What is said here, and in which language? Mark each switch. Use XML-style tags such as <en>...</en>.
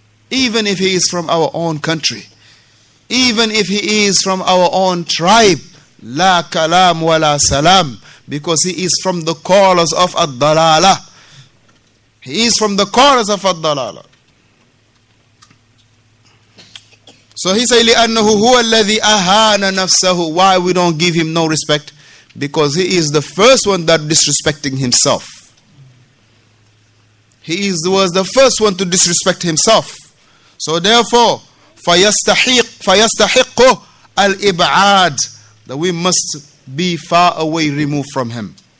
<en>Even if he is from our own country, even if he is from our own tribe, la kalam wala salam, because he is from the callers of ad-dalala. He is from the callers of ad-dalala.</en> <ar>So he said, لِأَنَّهُ هُوَ الَّذِي أَهَانَ نَفْسَهُ.</ar> <en>Why we don't give him no respect? Because he is the first one that disrespecting himself. He was the first one to disrespect himself. So therefore, فَيَسْتَحِقُّ الْإِبْعَادِ, that we must be far away, removed from him.</en>